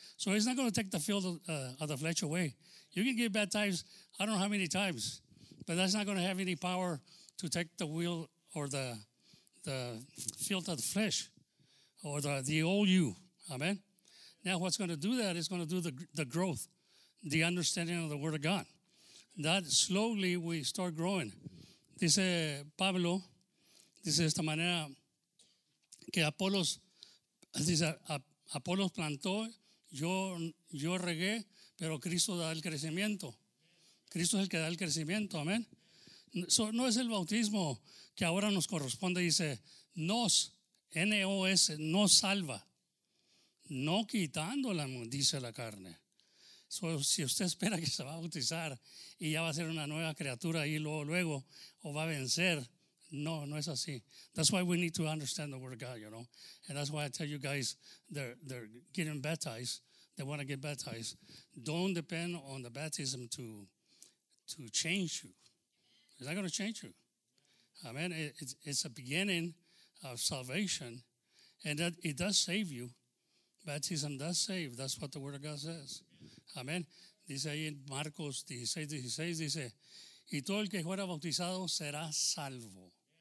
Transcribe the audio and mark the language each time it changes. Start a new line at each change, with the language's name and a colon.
English: So it's not going to take the field of the flesh away. You can get baptized, I don't know how many times, but that's not going to have any power to take the will or the field of the flesh or the old you. Amen. Now, what's going to do that is going to do the growth, the understanding of the Word of God. That slowly we start growing.
Spanish: Dice Pablo, dice de esta manera, que Apolos, dice, Apolos plantó, yo regué, pero Cristo da el crecimiento. Cristo es el que da el crecimiento, amén. So, no es el bautismo que ahora nos corresponde, dice, nos, N-O-S, nos salva, no quitando la, dice la carne. So, si usted espera que se va a bautizar y ya va a ser una nueva criatura y luego, o va a vencer, no, no es así.
English: That's why we need to understand the word of God, you know. And that's why I tell you guys, they're getting baptized, they want to get baptized. Don't depend on the baptism to change you. It's not going to change you. Amen. It's a beginning of salvation, and that it does save you. Baptism does save. That's what the word of God says. Amén.
Spanish: Dice ahí en Marcos 16:16, dice, y todo el que fuera bautizado será salvo.